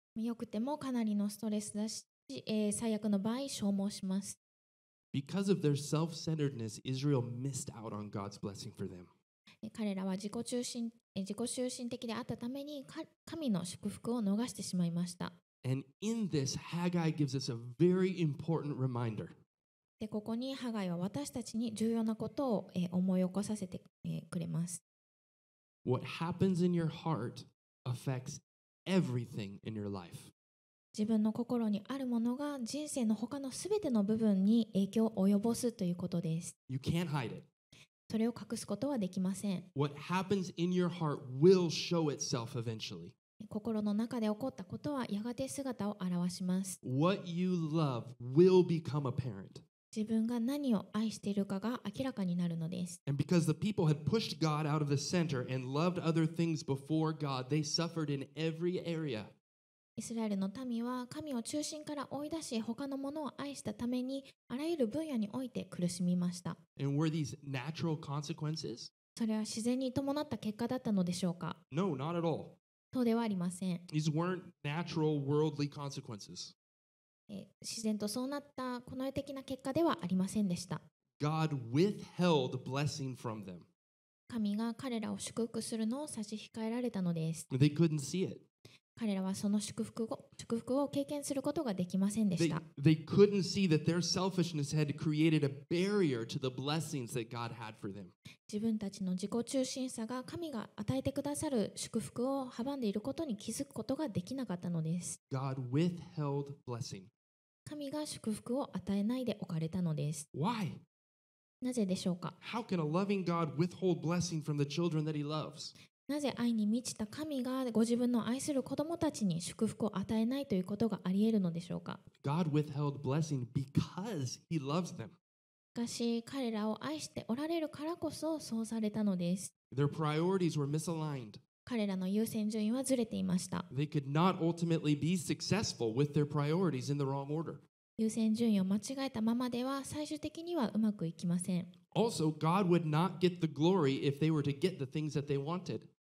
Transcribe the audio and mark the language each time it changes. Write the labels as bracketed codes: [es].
[ja] よくてもかなりのストレスだし、最悪の場合消耗します。 [en] Because of their self-centeredness, Israel missed out on God's blessing for them. [ja] 彼らは自己中心的であったために神の祝福を逃してしまいました。 [en] And in this, Haggai gives us a very important reminder. [ja] で、ここにハガイは私たちに重要なことを思い起こさせてくれます。 [en] What happens in your heart affects everything in your life. [ja] 自分の心にあるものが人生の他のすべての部分に影響を及ぼすということです。 [en] You can't hide it. [ja] それを隠すことはできません。 [en] What happens in your heart will show itself eventually. [ja] 心の中で起こったことはやがて姿を現します。 [en] What you love will become apparent. [ja] 自分が何を愛しているかが明らかになるのです。 [en] And because the people had pushed God out of the center and loved other things before God, they suffered in every area. [ja] イスラエルの民は神を中心から追い出し他のものを愛したためにあらゆる分野において苦しみました。 [en] And were these natural consequences? [ja] それは自然に伴った結果だったのでしょうか? [en] No, not at all. [ja] そうではありません。 [en] These weren't natural worldly consequences. [ja] 自然とそうなったこの世的な結果ではありませんでした。 [en] God withheld blessing from them. [ja] 神が彼らを祝福するのを差し控えられたのです。 [en] They couldn't see it. [ja] 彼らはその祝福を経験することができませんでした。 [en] They couldn't see that their selfishness had created a barrier to the blessings that God had for them. [ja] 自分たちの自己中心さが神が与えてくださる祝福を阻んでいることに気づくことができなかったのです。 [en] God withheld blessing. [ja] 神が祝福を与えないでおかれたのです。 [en] Why? [ja] なぜでしょうか? [en] How can a loving God withhold blessing from the children that he loves? [ja] なぜ愛に満ちた神がご自分の愛する子供たちに祝福を与えないということがあり得るのでしょうか? [en] God withheld blessing because he loves them. [ja] しかし彼らを愛しておられるからこそそうされたのです。 [en] Their priorities were misaligned. [ja] 彼らの優先順位はずれていました。 [en] They could not ultimately be successful with their priorities in the wrong order. [ja] 優先順位を間違えたままでは最終的にはうまくいきません。 [en] Also, God would not get the glory if they were to get the things that they wanted.